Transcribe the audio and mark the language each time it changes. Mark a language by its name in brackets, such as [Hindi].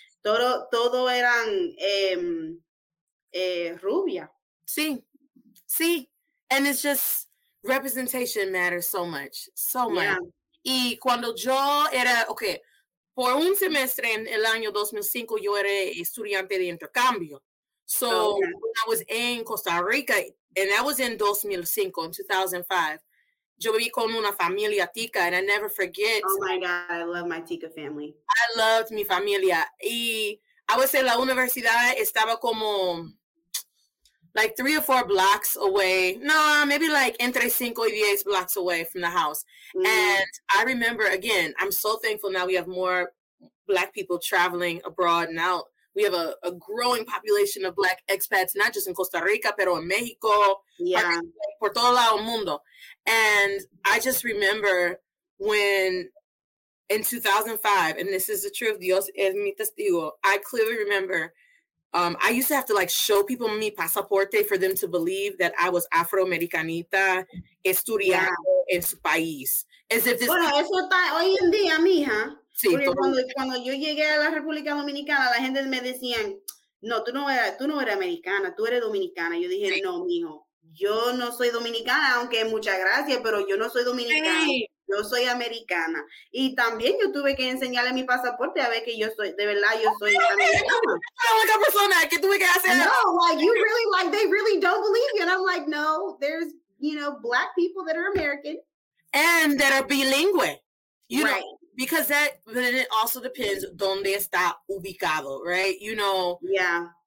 [Spanish] Todo eran rubia. [English] Sí. And it's just representation matters so much. [Spanish] Yeah. Y cuando yo era, okay, por un semestre en el año 2005, yo era estudiante de intercambio. [English] When I was in Costa Rica, and that was in 2005, [Spanish] yo viví con una familia tica, [English] and I never forget. Oh my God, I love my tica family. I loved [Spanish] mi familia. Y [English] I would say [Spanish] la universidad estaba como... [English] like 3 or 4 blocks away. No, maybe like [Spanish] entre 5 y 10 [English] blocks away from the house. Mm-hmm. And I remember, again, I'm so thankful now we have more Black people traveling abroad and out. We have a growing population of Black expats, not just in Costa Rica, [Spanish] pero [English] in Mexico. Yeah. [Spanish] Por todo lado el mundo. [English] And I just remember when in 2005, and this is the truth, [Spanish] Dios es mi testigo, [English] I clearly remember I used to have to like show people [Spanish] mi pasaporte [English] for them to believe that I was Afroamericanita [Spanish] estudiando en su país. [English] As if this. [Spanish] Bueno, eso está hoy en día, mija. Sí. Porque cuando yo llegué a la República Dominicana, la gente me decían, No, tú no eres americana, tú eres dominicana. Yo dije, sí. No, mijo, yo no soy dominicana, aunque muchas gracias, pero yo no soy dominicana, sí. Yo soy americana. Y también yo tuve que enseñarle mi pasaporte a ver que yo soy, de verdad, yo soy americana. La única persona que tuve que hacer. [English] No, like, you really, like, they really don't believe you. And I'm like, no, there's, you know, black people that are American. And that are bilingual, you right. know. Because that, but then it also depends [Spanish] donde está ubicado, [English] right? You know? Yeah.